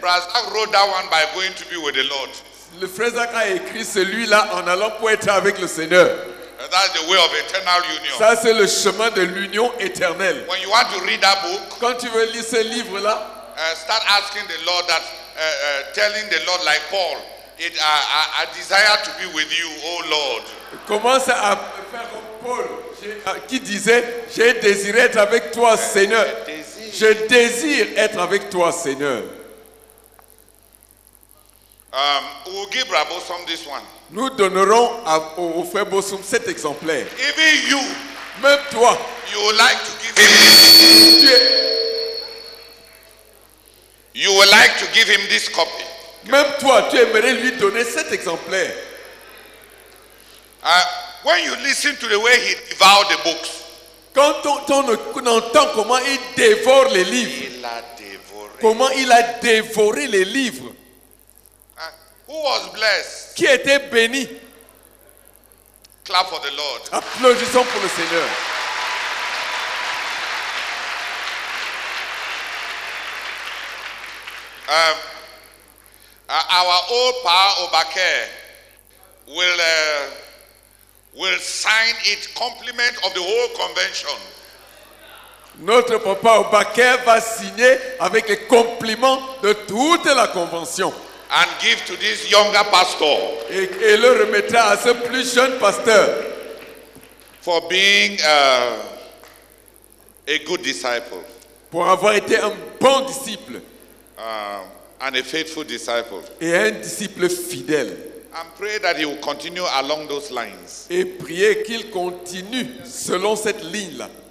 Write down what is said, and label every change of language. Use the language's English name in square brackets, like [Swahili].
[English] Brazak wrote that one by going to be with the Lord. [French] Le frère Zach a écrit celui-là en allant pour être avec le Seigneur. [English] That's the way of eternal union. [French] Ça, c'est le chemin de l'union éternelle. [English] When you want to read that book, [French] quand tu veux lire ce livre-là, [English] start asking the Lord that, telling the Lord like Paul, I desire to be with you, O Lord. [French] Commence à faire comme Paul, qui disait, j'ai désiré être avec toi, Seigneur. Je désire être avec toi, Seigneur. [English] We'll give Rabbo some this one. [French] Nous donnerons au frère Bosum cet exemplaire. [English] Even you, [French] même toi, [English] you would like to give him this. You would like to give him this copy. [French] Même toi, tu aimerais lui donner cet exemplaire. [English] When you listen to the way he devoured the books, [French] quand on entend comment il dévore les livres, il a dévoré. Comment il a dévoré les livres. [English] Who was blessed? [French] Qui était béni? [English] Clap for the Lord. [French] Applaudissons pour le Seigneur. [English] Our old Pa Obake will sign it, compliment of the whole convention. [French] Notre papa Obake va signer avec les compliments de toute la convention. [English] And give to this younger pastor. [French] Et le remettra à ce plus jeune pasteur. [English] For being a good disciple. [French] Pour avoir été un bon disciple. [English] And a faithful disciple. [French] Et un disciple fidèle. [English] And pray that he will continue along those lines. [French] Et prier qu'il continue selon cette ligne-là.